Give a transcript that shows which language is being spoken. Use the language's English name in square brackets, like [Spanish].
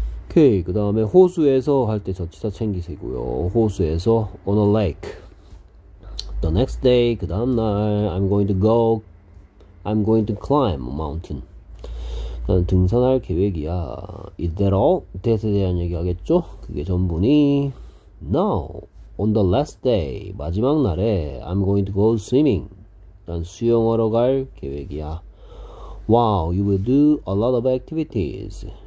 [Korean] 오케이, 그 다음에 호수에서 할 때 전치사 챙기세고요. 호수에서 [English] on a lake. The next day, [Korean] 그 다음날 [English] I'm going to climb a mountain. [Korean] 나는 등산할 계획이야. [English] Is that all? [Korean] That에 대한 얘기 하겠죠? 그게 전부니? No, [English] On the last day, [Korean] 마지막 날에 [English] I'm going to go swimming. [Korean] 난 수영하러 갈 계획이야. [English] Wow, you will do a lot of activities.